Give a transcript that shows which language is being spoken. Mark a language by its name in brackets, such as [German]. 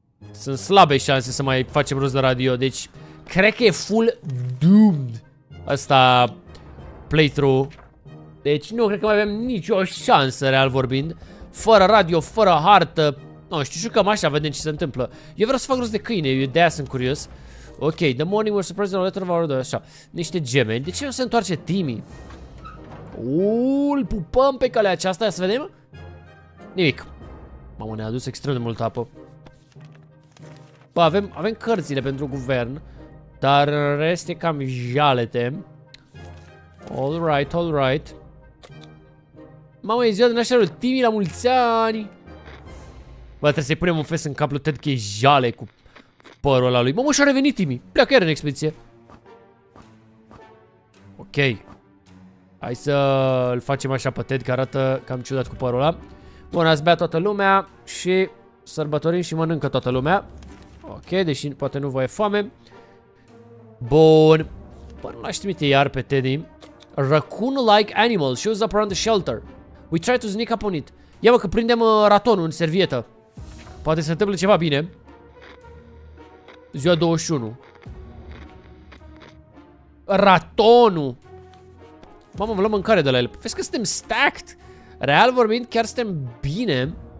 [Romanian] Sunt slabe șanse să mai facem rost de radio, deci cred că e [English] full doomed [Romanian] asta playthrough. Deci nu cred că mai avem nicio șansă, real vorbind. Fără radio, fără hartă. Nu știu, jucăm așa, vedem ce se întâmplă. Eu vreau să fac rost de câine, eu de aia sunt curios. [English] Ok, the morning we're surprised in a letter of our order, așa. [Romanian] Niște gemeni. De ce nu se întoarce Timmy? Uuuu, pupăm pe calea aceasta, să vedem. Nimic. Mamă, ne-a adus extrem de multă apă. Bă, avem cărțile pentru guvern, dar în rest e cam jalete. [English] All right. [Romanian] Mamă, e ziua de nașterea lui Timmy, la mulți ani. Bă, trebuie să-i punem un fes în cap lui Ted, că e jale cu părul ăla lui. Mamă, și-a revenit Timmy, pleacă iar în expediție. Ok, hai să-l facem așa pe Ted, că arată cam ciudat cu părul ăla. Bun, ați bea toată lumea și sărbătorim și mănâncă toată lumea. Ok, deși poate nu vă e foame. Bun. Bă, nu l-aș trimite iar pe Teddy. [English] Raccoon-like animal shows up around the shelter. We try to sneak up on it. [Romanian] Ia mă, că prindem ratonul în servietă. Poate se întâmplă ceva bine. Ziua 21. Ratonul. Mamă, vă luăm mâncare de la el. Vezi că suntem stacked. Real vorbind, chiar suntem bine.